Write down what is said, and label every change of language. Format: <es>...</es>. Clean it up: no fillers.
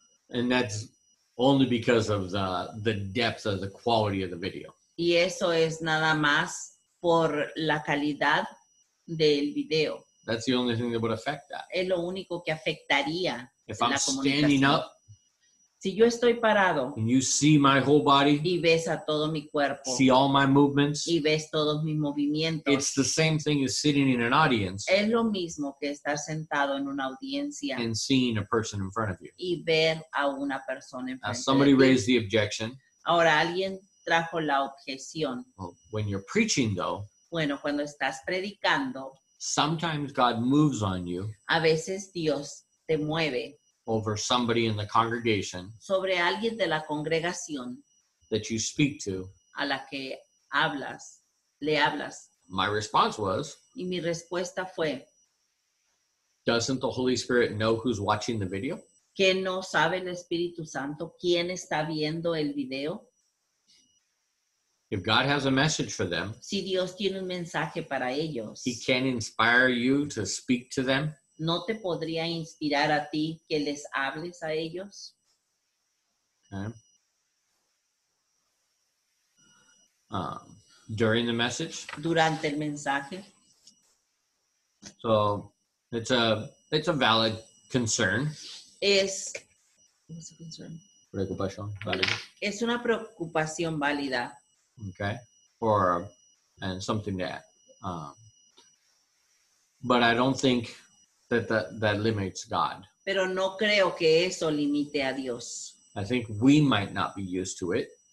<en>And that's only because of the depth of the quality of the video.</en> <es>Y eso es nada más por la calidad del video.</es> <en>That's the only thing that would affect that.</en> <es>Es lo único que afectaría la comunicación.</es> <en>If I'm standing up.</en> <es>Si yo estoy parado.</es> <en>And you see my whole body.</en> <es>Y ves a todo mi cuerpo.</es> <en>See all my movements.</en> <es>Y ves todos mis movimientos.</es> <en>It's the same thing as sitting in an audience.</en> <es>Es lo mismo que estar sentado en una audiencia.</es> <en>And seeing a person in front of you.</en> <es>Y ver a una persona enfrente.</es> <en>Now somebody raised the objection.</en> <es>Ahora alguien trajo la objeción.</es> <en>Well, when you're preaching though.</en> <es>Bueno, cuando estás predicando.</es> <en>Sometimes God moves on you.</en> <es>A veces Dios te mueve.</es> <en>Over somebody in the congregation.</en> <es>Sobre alguien de la congregación.</es> <en>That you speak to.</en> <es>A la que hablas. Le hablas.</es> <en>My response was.</en> <es>Y mi respuesta fue.</es> <en>Doesn't the Holy Spirit know who's watching the video?</en> <es>¿Que no sabe el Espíritu Santo quién está viendo el video?</es> <en>If God has a message for them.</en> <es>Si Dios tiene un mensaje para ellos.</es> <en>He can inspire you to speak to them. ¿No te podría inspirar a ti que les hables a ellos? Okay. During the message.</en> <es>Durante el mensaje.</es> <en>So, it's a valid concern. Es. What's the concern?</en> <es>Preocupación válida. Es una preocupación válida.</es> <en>Okay. Or, and something that. But I don't think that that limits God.</en> <es>Pero no creo que eso limite a Dios.</es> <en>I think we might not be used to it.</en>